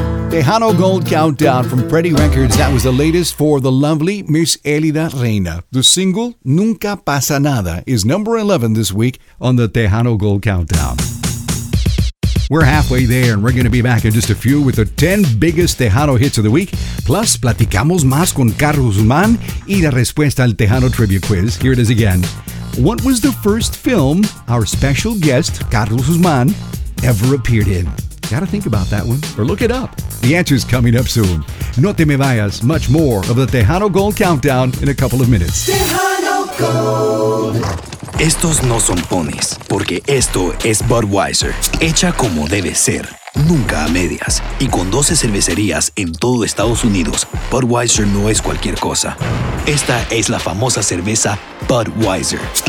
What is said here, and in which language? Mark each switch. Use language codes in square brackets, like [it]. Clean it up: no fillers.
[en] Tejano Gold Countdown from Pretty Records. That was the latest for the lovely Miss Elida Reina. The single, Nunca Pasa Nada, is number 11 this week on the Tejano Gold Countdown. We're halfway there, and we're going to be back in just a few with the 10 biggest Tejano hits of the week. [es] Plus, platicamos más con Carlos Guzmán y la respuesta al Tejano Trivia Quiz. [en] Here it is again. What was the first film our special guest, Carlos Guzmán, ever appeared in? Gotta think about that one, or look it up. The answer's coming up soon. [es] No te me vayas. [en] Much more of the Tejano Gold Countdown in a couple of minutes. Tejano Gold. [es] Estos no son ponis, porque esto es Budweiser. Hecha como debe ser, nunca a medias. Y con 12 cervecerías en todo Estados Unidos, Budweiser no es cualquier cosa. Esta es la famosa cerveza Budweiser.